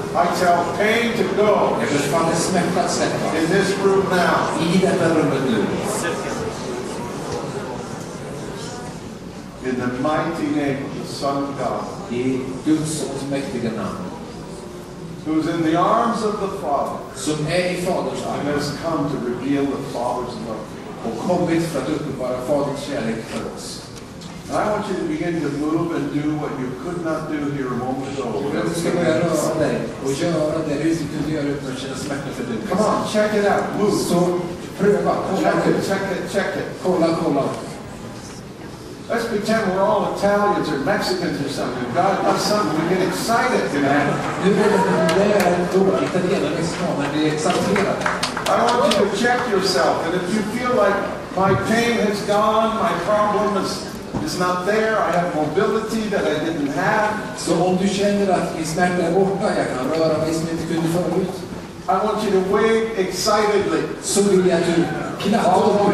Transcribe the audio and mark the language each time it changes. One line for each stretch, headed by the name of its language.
English: I tell pain to go.
Swedish: Jag befaller smärta att släppa.
English: In this room now.
Swedish: I detta rummet nu.
English: mighty name of the Son of God.
Swedish: I Guds allsmäktiga namn.
English: Who's in the arms of the Father.
Swedish: Som är i Faderns arm.
English: And has come to reveal the Father's love.
Swedish: Och kommit för att uppenbara Faderns kärlek för oss.
English: And I want you to begin to move and do what you could not do here a moment ago. Come on, check it out. Move.
Swedish: So, pröva.
English: Check it.
Swedish: Kolla.
English: Let's pretend we're all Italians or Mexicans or something. God does something. We get excited, man.
Swedish: Nu är det italienare som är exalterad.
English: I want you to check yourself, and if you feel like my pain has gone, my problem is. It's not there. I have mobility that I didn't have.
Swedish: Så om du känner att din smärta är borta, jag kan röra mig som inte kunde förut.
English: I want you to wave excitedly.
Swedish: Så vill jag du knappa upp